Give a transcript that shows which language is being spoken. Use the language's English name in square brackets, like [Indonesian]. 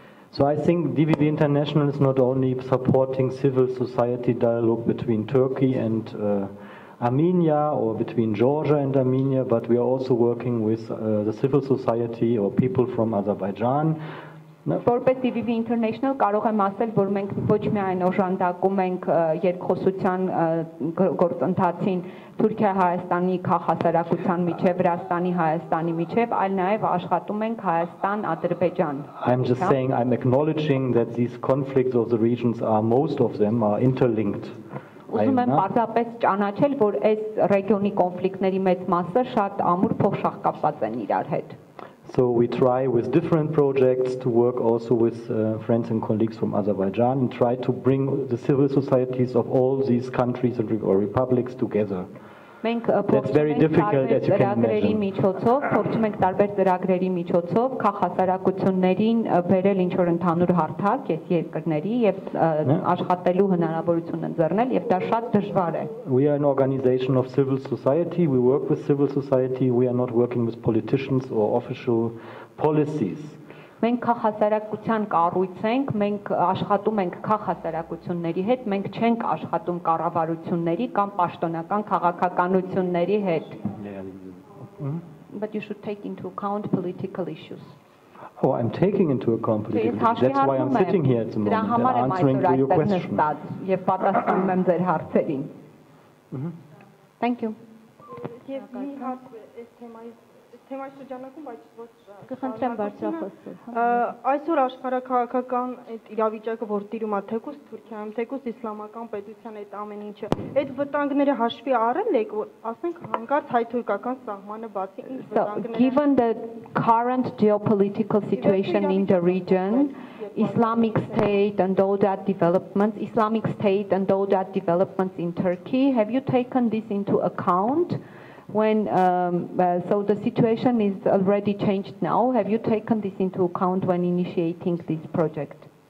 [English] So I think DVB International is not only supporting civil society dialogue between Turkey and Armenia or between Georgia and Armenia, but we are also working with the civil society or people from Azerbaijan. [Armenian] Որպես DVB International կարող եմ ասել, որ մենք ոչ միայն օժանդակում ենք երկխոսության գործընթացին Թուրքիա-Հայաստանի քաղաքասարակության միջև, Վրաստանի-Հայաստանի միջև, այլ նաև աշխատում ենք Հայաստան-Ադրբեջան։ [English] I'm just saying, I'm acknowledging that these conflicts of the regions are, most of them are interlinked. [Armenian] Ուզում եմ պարզապես ճանաչել, որ այս ռեգիոնի կոնֆլիկտների մեծ մասը շատ ամուր փոխշաղկապած են իրար հետ։ [English] So we try with different projects to work also with friends and colleagues from Azerbaijan and try to bring the civil societies of all these countries and republics together. That's very difficult, as you can imagine. [Armenian] Տարբեր ծրագրերի միջոցով քաղաքասարակություններին բերել ինչ-որ ընդհանուր հարթակ այս երկրների եւ աշխատելու հնարավորություն ընձեռնել եւ դա շատ դժվար է. [English] We are an organization of civil society. We work with civil society. We are not working with politicians or official policies. Մենք քաղաքասարակության կառույց ենք, մենք աշխատում ենք քաղաքասարակությունների հետ, մենք չենք աշխատում կառավարությունների կամ պաշտոնական քաղաքականությունների հետ. But you should take into account political issues. Oh, I'm taking into account political issues. That's why I'm sitting here at the moment and answering to your question. [Armenian] Եվ պատասխանում եմ ձեր հարցերին. [English] Thank you. [Armenian] Եվ մի հարց այս թեմայի շրջանակում, բայց կխնդրեմ բարձրախոսել։ Այսօր աշխարհակաղակական այդ իրավիճակը, որ տիրում է թեկուս Թուրքիայում, թեկուս իսլամական պետության այդ ամեն ինչը, այդ վտանգները հաշվի առել եք, որ ասենք հանկարծ հայ-թուրքական սահմանը բացի, ինչ վտանգներ։ [English] Given the current geopolitical situation in the region, Islamic State and all that developments, Islamic State and all that developments in Turkey, have you taken this into account? When so the situation is already changed now, have you taken this into account when initiating this project?